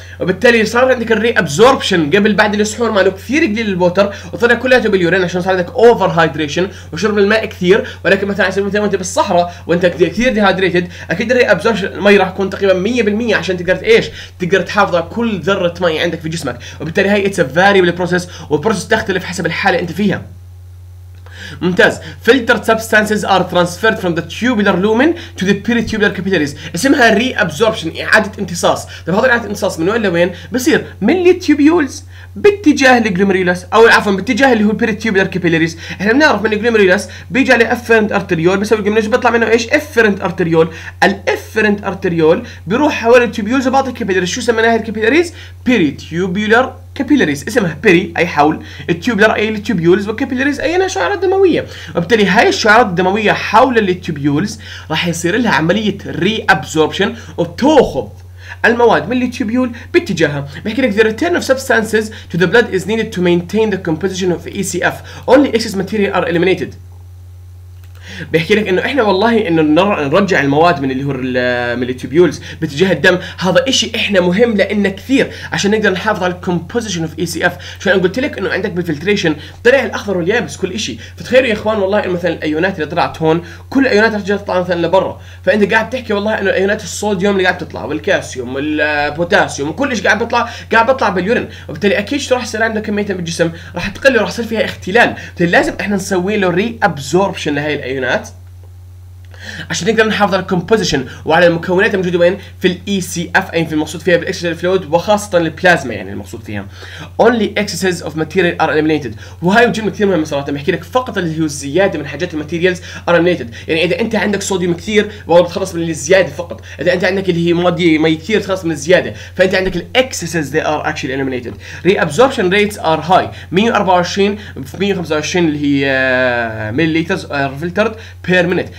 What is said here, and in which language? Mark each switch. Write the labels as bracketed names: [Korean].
[Arabic] وبالتالي صار عندك الري ابزوربشن قبل بعد السحور ماله كثير قليل الووتر وطلع كلياته باليورين عشان صار عندك اوفر هايدريشن وشرب الماء كثير. ولكن مثلا وانت بالصحراء وانت كثير ديهايدريتد اكيد الري ابزوربشن المي راح يكون تقريبا 100% عشان تقدر ايش؟ تقدر تحافظ على كل ذره مي عندك في جسمك. وبالتالي هي [English] it's a variable process, [Arabic] والبروسيس تختلف حسب الحاله انت فيها. ممتاز. [English] filtered substances are transferred from the tubular lumen to the peritubular capillaries. [Arabic] اسمها reabsorption، إعادة امتصاص. طيب هذا إعادة امتصاص من وين لوين؟ بصير من اللي tubules باتجاه الجلوميرولس، او عفوا باتجاه اللي هو البيريتيوبولار كابيلاريز. احنا بنعرف من الجلوميرولس بيجي على افيرنت ارتريول بسبب الجلوميرولس بيطلع منه ايش؟ افيرنت ارتريول. الافيرنت ارتريول بيروح حوالي التيوبيولز وبعض الكابيلاريز. شو سميناها الكابيلاريز؟ بيريتيوبولار كابيلاريز، اسمها بيري اي حول، التيوبولار اي التيوبيولز، وكابيلاريز اي انها شعيرات دمويه. وبالتالي هاي الشعيرات الدمويه حول التيوبيولز راح يصير لها عمليه ري ابزوربشن وتاخذ المواد من التيوبيول باتجاهها. بحكي لك [English] the return of substances to the blood is needed to maintain the composition of ECF. Only excess material are eliminated. [Arabic] بحكي لك انه احنا والله انه نرجع المواد من اللي هو من التيوبيولز باتجاه الدم، هذا اشي احنا مهم لنا كثير عشان نقدر نحافظ على الكومبوزيشن اوف اي سي اف. شو انا قلت لك انه عندك بالفلتريشن طلع الاخضر واليابس كل اشي، فتخيلوا يا اخوان والله إن مثلا الايونات اللي طلعت هون كل الايونات رح تطلع مثلا لبرا، فانت قاعد تحكي والله انه الايونات الصوديوم اللي قاعد تطلع والكالسيوم والبوتاسيوم وكل شيء قاعد بيطلع باليورين، وبالتالي اكيد شو راح يصير عندنا كميتها بالجسم؟ راح تقل وراح يصير فيها اختلال، فلازم احنا نسوي له ري ابزوربشن لهي الايونات عشان نقدر نحافظ على الكومبوزيشن وعلى المكونات الموجوده وين؟ في الاي سي اف، اي في المقصود فيها بالاكسترا فلويد وخاصه البلازما يعني المقصود فيها. [English] Only excesses of material are eliminated. [Arabic] وهي جمله كثير مهمه صراحه، بحكي لك فقط اللي هو الزياده من حاجات الماتيريالز [English] are eliminated، [Arabic] يعني اذا انت عندك صوديوم كثير والله بتخلص من الزياده فقط، اذا انت عندك اللي هي مواد مي كثير تخلص من الزياده، فانت عندك الاكسسز [English] they are actually eliminated. Reabsorption rates are high [Arabic] 124 في 125 اللي هي مليلترز فلترد بير مينت.